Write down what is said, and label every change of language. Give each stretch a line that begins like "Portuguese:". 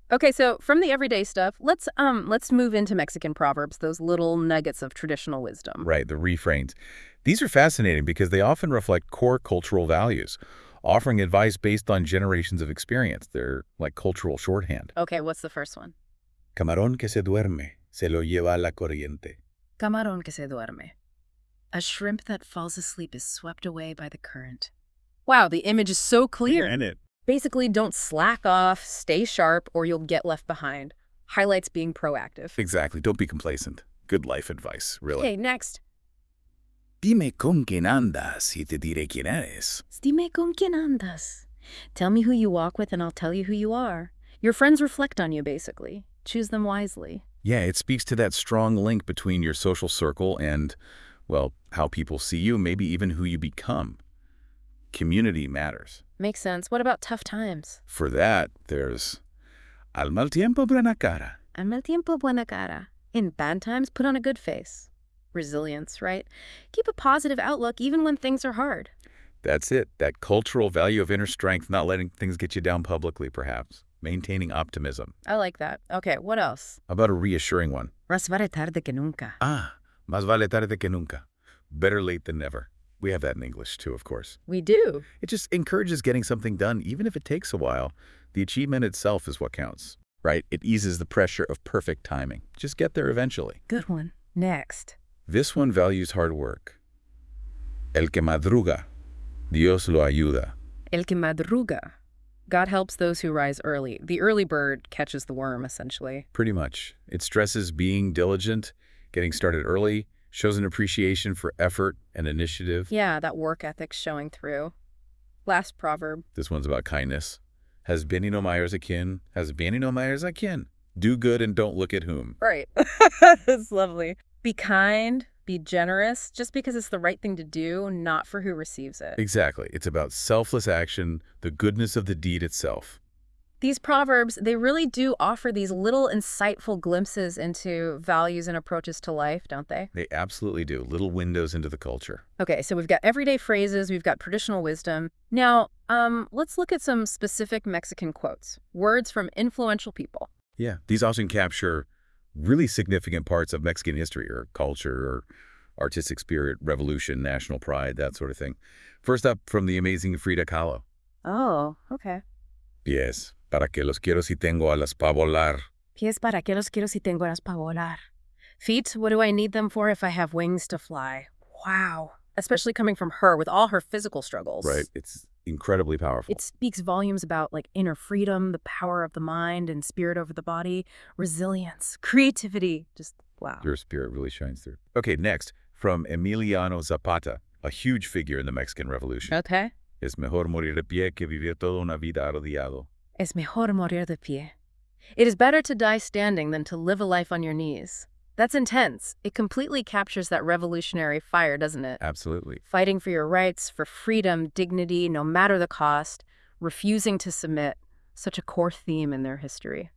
English: Okay, so from the everyday stuff, let's move into Mexican proverbs, those little nuggets of traditional wisdom. Right, the refrains. These are fascinating because they often reflect core cultural values, offering advice based on generations of experience. They're like cultural shorthand. Okay, what's the first one?
Spanish: Camarón que se duerme, se lo lleva la corriente. Camarón que se duerme.
English: A shrimp that falls asleep is swept away by the current. Wow, the image is so clear. Yeah, isn't it? Basically, don't slack off, stay sharp, or you'll get left behind. Highlights being proactive. Exactly. Don't be complacent. Good life advice, really. Okay, next.
Spanish: Dime con quién andas y te diré quién eres. Dime con quién andas.
English: Tell me who you walk with and I'll tell you who you are. Your friends reflect on you, basically. Choose them wisely. Yeah, it speaks to that strong link between your social circle and, well, how people see you, maybe even who you become. Community matters. Makes sense. What about tough times? For that, there's
Spanish: al mal tiempo buena cara. Al mal tiempo buena cara.
English: In bad times, put on a good face. Resilience, right? Keep a positive outlook even when things are hard. That's it. That cultural value of inner strength, not letting things get you down publicly, perhaps. Maintaining optimism. I like that. Okay, what else? How about a reassuring one?
Spanish: Más vale tarde que nunca. Ah, más vale tarde que nunca.
English: Better late than never. We have that in English, too, of course. We do. It just encourages getting something done, even if it takes a while. The achievement itself is what counts, right? It eases the pressure of perfect timing. Just get there eventually. Good one. Next. This one values hard work.
Spanish: El que madruga, Dios lo ayuda. El que madruga.
English: God helps those who rise early. The early bird catches the worm, essentially. Pretty much. It stresses being diligent, getting started early. Shows an appreciation for effort and initiative. Yeah, that work ethic showing through. Last proverb. This one's about kindness.
Spanish: Has bien y no mires a quien. Has bien y no mires a quien.
English: Do good and don't look at whom. Right. That's lovely. Be kind. Be generous. Just because it's the right thing to do, not for who receives it. Exactly. It's about selfless action, the goodness of the deed itself. These proverbs, they really do offer these little insightful glimpses into values and approaches to life, don't they? They absolutely do. Little windows into the culture. Okay, so we've got everyday phrases. We've got traditional wisdom. Now, let's look at some specific Mexican quotes, words from influential people. Yeah, these often capture really significant parts of Mexican history or culture or artistic spirit, revolution, national pride, that sort of thing. First up, from the amazing Frida Kahlo. Oh, okay. Yes.
Spanish: Para que los quiero si tengo alas pa volar. Pies para que los quiero si tengo alas pa volar.
English: Feet, what do I need them for if I have wings to fly? Wow. Especially coming from her with all her physical struggles. Right. It's incredibly powerful. It speaks volumes about like inner freedom, the power of the mind and spirit over the body, resilience, creativity. Just wow. Your spirit really shines through. Okay, next, from Emiliano Zapata, a huge figure in the Mexican Revolution. Okay.
Spanish: Es mejor morir de pie que vivir toda una vida arrodillado. Es mejor morir de pie.
English: It is better to die standing than to live a life on your knees. That's intense. It completely captures that revolutionary fire, doesn't it? Absolutely. Fighting for your rights, for freedom, dignity, no matter the cost, refusing to submit. Such a core theme in their history.